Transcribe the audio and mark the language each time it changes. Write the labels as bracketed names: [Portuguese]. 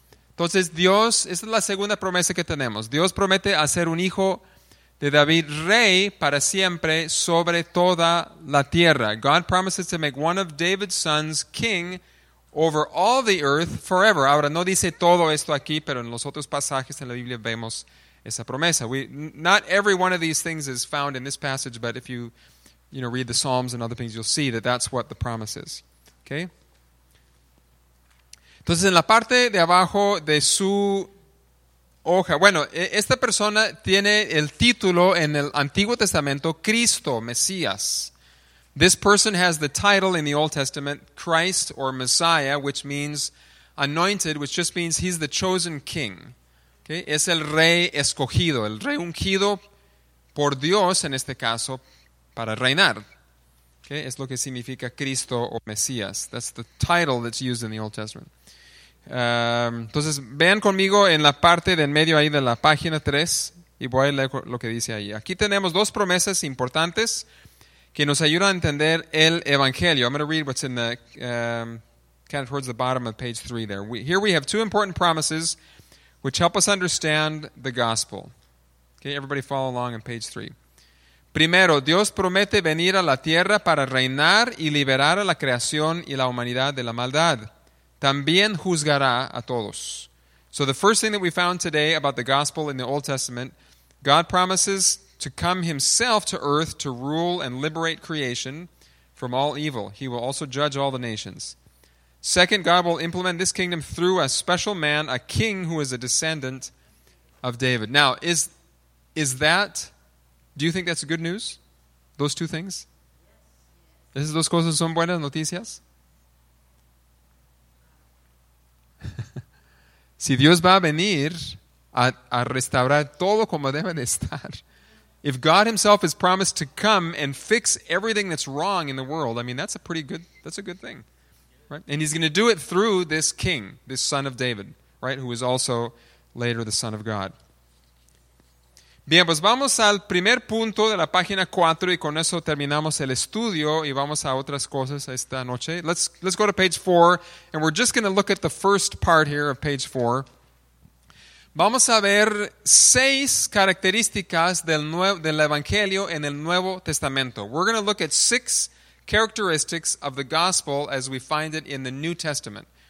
[Spanish] Entonces, Dios, esta es la segunda promesa que tenemos. Dios promete hacer un hijo de David rey para siempre sobre toda la tierra. [English] God promises to make one of David's sons king over all the earth forever. [Spanish] Ahora, no dice todo esto aquí, pero en los otros pasajes en la Biblia vemos esa promesa. [English] Not every one of these things is found in this passage, but if you read the Psalms and other things, you'll see that that's what the promise is. Okay? [Spanish] Entonces, en la parte de abajo de su hoja, bueno, esta persona tiene el título en el Antiguo Testamento, Cristo, Mesías. [English] This person has the title in the Old Testament, Christ or Messiah, which means anointed, which just means he's the chosen king. Okay? [Spanish] Es el rey escogido, el rey ungido por Dios, en este caso, para reinar. Okay? Es lo que significa Cristo o Mesías. [English] That's the title that's used in the Old Testament. [Spanish] Entonces, vean conmigo en la parte de en medio ahí de la página 3, y voy a leer lo que dice ahí. Aquí tenemos dos promesas importantes que nos ayuda a entender el Evangelio. [English] I'm going to read what's in the, kind of towards the bottom of page 3 there. Here we have two important promises which help us understand the gospel. Okay, everybody follow along on page 3. [Spanish] Primero, Dios promete venir a la tierra para reinar y liberar a la creación y la humanidad de la maldad. También juzgará a todos. [English] So the first thing that we found today about the gospel in the Old Testament, God promises to come himself to earth to rule and liberate creation from all evil. He will also judge all the nations. Second, God will implement this kingdom through a special man, a king who is a descendant of David. Now, do you think that's good news? Those two things? [Spanish] ¿Esas dos cosas son buenas noticias? Si Dios va a venir a restaurar todo como debe de estar. [English] If God himself has promised to come and fix everything that's wrong in the world, I mean, that's a good thing, right? And he's going to do it through this king, this son of David, right, who is also later the son of God. [Spanish] Bien, pues vamos al primer punto de la página 4 y con eso terminamos el estudio y vamos a otras cosas esta noche. [English] Let's go to page 4 and we're just going to look at the first part here of page 4. [Spanish] Vamos a ver seis características del Evangelio en el Nuevo Testamento. [English] We're going to look at six characteristics of the gospel as we find it in the New Testament.